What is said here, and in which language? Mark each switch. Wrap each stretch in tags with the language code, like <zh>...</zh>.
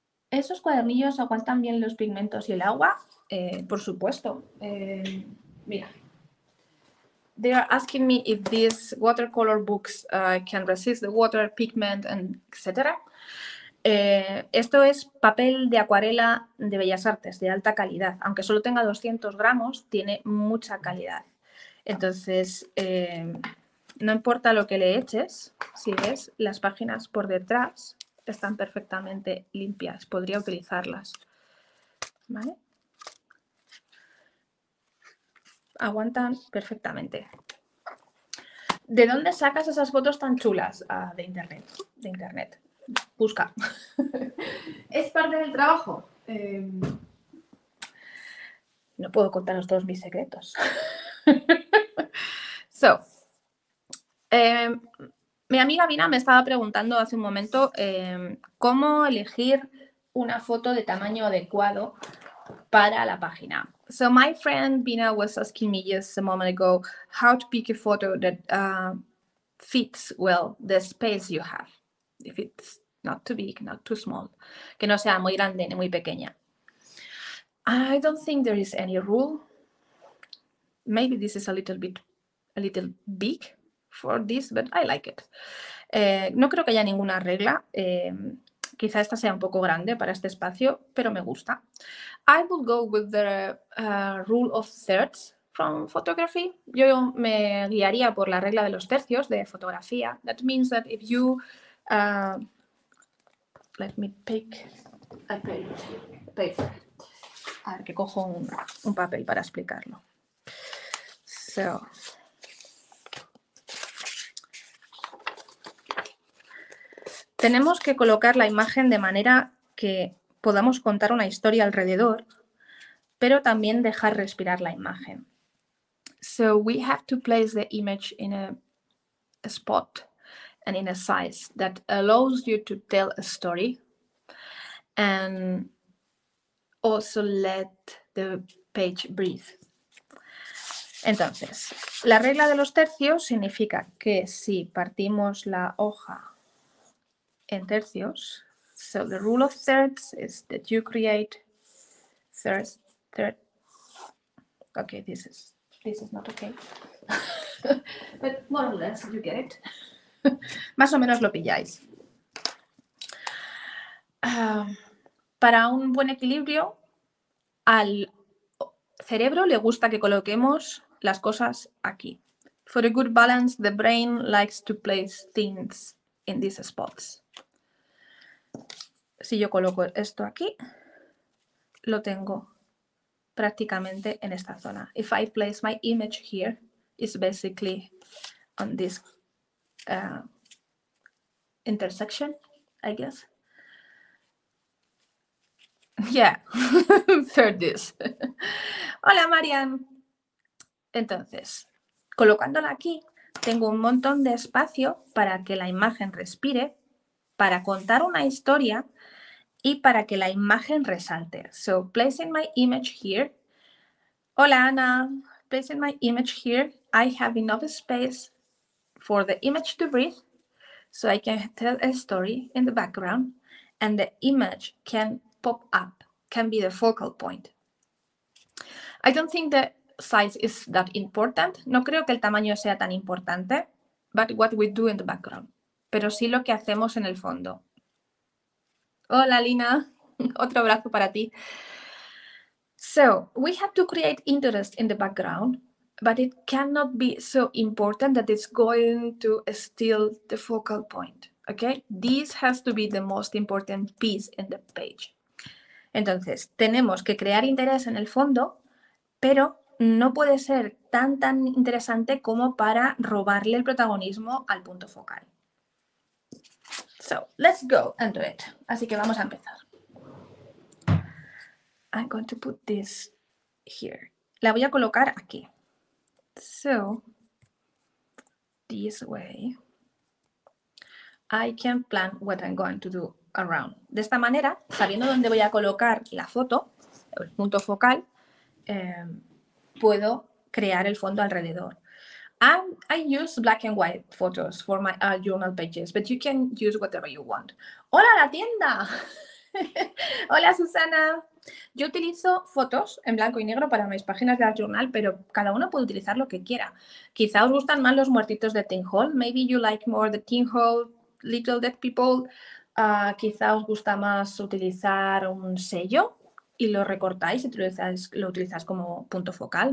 <es>¿Esos cuadernillos aguantan bien los pigmentos y el agua? Por supuesto. Mira.</es> <en>They are asking me if these watercolor books can resist the water, pigment, and etc.</en> <es>Esto es papel de acuarela de Bellas Artes, de alta calidad. Aunque solo tenga 200 gramos, tiene mucha calidad. Entonces, no importa lo que le eches, si ves, las páginas por detrás están perfectamente limpias. Podría utilizarlas. ¿Vale? Aguantan perfectamente. ¿De dónde sacas esas fotos tan chulas? De internet. De internet. Busca. Es parte del trabajo. No puedo contaros todos mis secretos. So, mi amiga Vina me estaba preguntando hace un momento cómo elegir una foto de tamaño adecuado para la página.</es> <en>So my friend Vina was asking me just a moment ago how to pick a photo that fits well the space you have. If it's not too big, not too small.</en> <es>Que no sea muy grande ni muy pequeña.</es> <en>I don't think there is any rule. Maybe this is a little big for this, but I like it.</en> <es>No creo que haya ninguna regla. Quizá esta sea un poco grande para este espacio, pero me gusta.</es> <en>I would go with the rule of thirds from photography.</en> <es>Yo me guiaría por la regla de los tercios de fotografía.</es> <en>That means that if you... let me pick a paper.</en> <es>A ver, que cojo un papel para explicarlo. So... Tenemos que colocar la imagen de manera que podamos contar una historia alrededor, pero también dejar respirar la imagen.</es> <en>So we have to place the image in a spot and in a size that allows you to tell a story and also let the page breathe.</en> <es>Entonces, la regla de los tercios significa que si partimos la hoja en tercios.</es> <en>So the rule of thirds is that you create third. Okay, this is not okay. But more or less you get it.</en> <es>Más o menos lo pilláis. Para un buen equilibrio, al cerebro le gusta que coloquemos las cosas aquí.</es> <en>For a good balance, the brain likes to place things in these spots.</en> <es>Si yo coloco esto aquí, lo tengo prácticamente en esta zona.</es> <en>If I place my image here, it's basically on this intersection, I guess. Yeah, third this.</en> <es>Hola, Marian. Entonces, colocándola aquí, tengo un montón de espacio para que la imagen respire, para contar una historia y para que la imagen resalte.</es> <en>So, placing my image here.</en> <es>Hola, Ana.</es> <en>placing my image here, I have enough space for the image to breathe, so I can tell a story in the background, and the image can pop up, can be the focal point. I don't think the size is that important.</en> <es>No creo que el tamaño sea tan importante,</es> <en>but what we do in the background.</en> <es>Pero sí lo que hacemos en el fondo. Hola, Lina. Otro abrazo para ti.</es> <en>So, we have to create interest in the background, but it cannot be so important that it's going to steal the focal point, okay? This has to be the most important piece in the page.</en> <es>Entonces, tenemos que crear interés en el fondo, pero no puede ser tan, tan interesante como para robarle el protagonismo al punto focal.</es> <en>So, let's go and do it.</en> <es>Así que vamos a empezar.</es> <en>I'm going to put this here.</en> <es>La voy a colocar aquí.</es> <en>So, this way, I can plan what I'm going to do around.</en> <es>De esta manera, sabiendo dónde voy a colocar la foto, el punto focal, puedo crear el fondo alrededor.</es> <en>I use black and white photos for my journal pages, but you can use whatever you want.</en> <es>¡Hola, la tienda! ¡Hola, Susana! Yo utilizo fotos en blanco y negro para mis páginas de la journal, pero cada uno puede utilizar lo que quiera. Quizá os gustan más los muertitos de Tin Hall.</es> <en>Maybe you like more the Tin Hall, little dead people.</en> <es>Quizá os gusta más utilizar un sello y lo recortáis y lo utilizáis como punto focal.</es>